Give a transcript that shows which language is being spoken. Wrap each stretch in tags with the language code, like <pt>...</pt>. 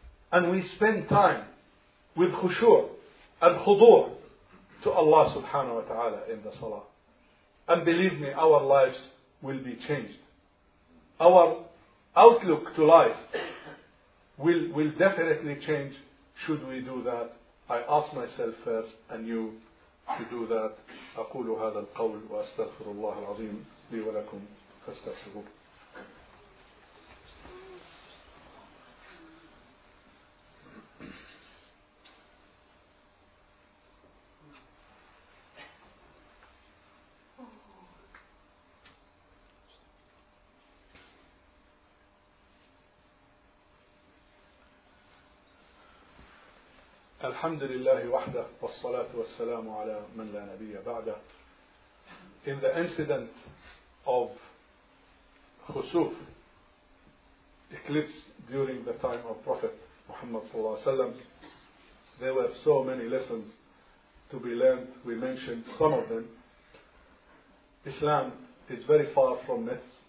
<en>And we spend time with khushu' and khudu' to Allah subhanahu wa ta'ala in the salah. And believe me, our lives will be changed. Our outlook to life will definitely change should we do that. I ask myself first and you to do that.</en> <ar>أقول هذا القول وأستغفر الله العظيم لي ولكم فاستغفروه. الحمد لله وحده والصلاة والسلام على من لا نبي بعده.</ar> <en>In the incident of khusuf, eclipse during the time of Prophet Muhammad</en> <ar>صلى الله عليه وسلم,</ar> <en>there were so many lessons to be learned. We mentioned some of them. Islam is very far from myths.</en>